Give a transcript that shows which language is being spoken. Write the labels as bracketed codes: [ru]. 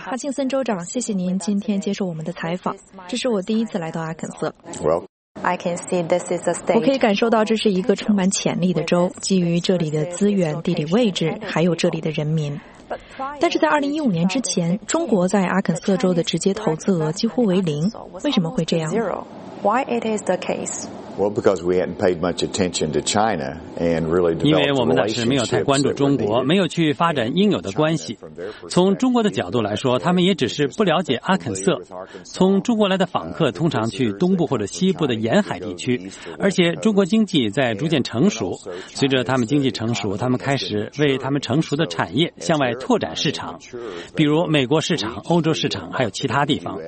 [zh] 哈钦森州长，谢谢您今天接受我们的采访。这是我第一次来到阿肯色。 [en] I can see this is a state. [zh] 我可以感受到这是一个充满潜力的州，基于这里的资源、地理位置，还有这里的人民。但是在2015年之前，中国在阿肯色州的直接投资额几乎为零。为什么会这样 [en] ？Why it is the case? Well, because we hadn't paid much attention to China and really developed relationships. [zh] 因为我们当时没有太关注中国，没有去发展应有的关系。从中国的角度来说，他们也只是不了解阿肯色。从中国来的访客通常去东部或者西部的沿海地区，而且中国经济在逐渐成熟。随着他们经济成熟，他们开始为他们成熟的产业向外拓展市场，比如美国市场、欧洲市场，还有其他地方。